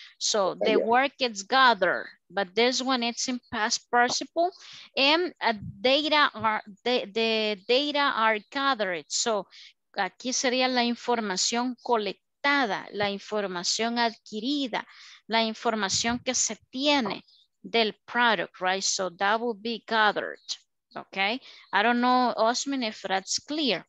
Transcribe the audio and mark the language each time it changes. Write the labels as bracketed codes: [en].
[en] So the work gets gathered, but this one it's in past participle. And data are gathered. [es] So aquí sería la información colectada, la información adquirida, la información que se tiene del product, right? [en] So that would be gathered. Okay, I don't know, Osman, if that's clear.